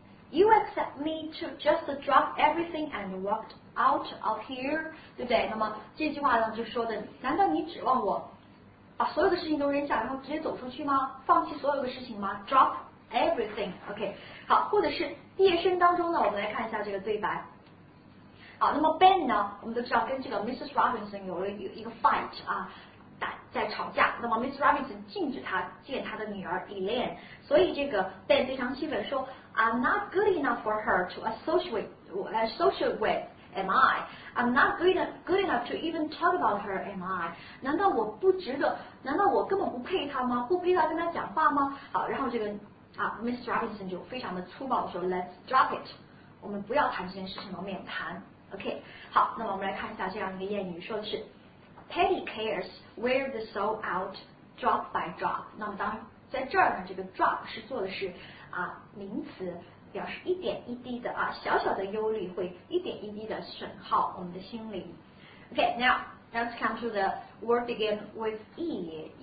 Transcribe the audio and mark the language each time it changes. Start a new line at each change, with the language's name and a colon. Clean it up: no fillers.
English: You accept me to just drop everything and walked out of here,
Chinese: 对不对？那么这句话呢，就说的，难道你指望我把所有的事情都扔下，然后直接走出去吗？放弃所有的事情吗 ？
English: Drop everything, OK?
Chinese: 好，或者是毕业生当中呢，我们来看一下这个对白。好，那么 Ben 呢，我们都知道跟这个 Mrs. Robinson 有了一个 fight 啊。在吵架，那么 Miss Robinson 禁止他见他的女儿 Elaine， 所以这个 Ben 非常气愤说 ，
English: I'm not good enough for her to associate with, am I? I'm not good enough to even talk about her, am I?
Chinese: 难道我不值得？难道我根本不配她吗？不配她跟她讲话吗？好，然后这个啊 ，Miss Robinson 就非常的粗暴说 ，
English: Let's drop it，
Chinese: 我们不要谈这件事情了，免谈。 OK， 好，那么我们来看一下这样一个谚语，说的是。
English: Petty cares wear the soul out drop by drop.
Chinese: 那么当在这儿呢，这个 drop 是做的是啊名词，表示一点一滴的啊小小的忧虑会一点一滴的损耗我们的心灵。
English: Okay, now let's come to the word begin with e.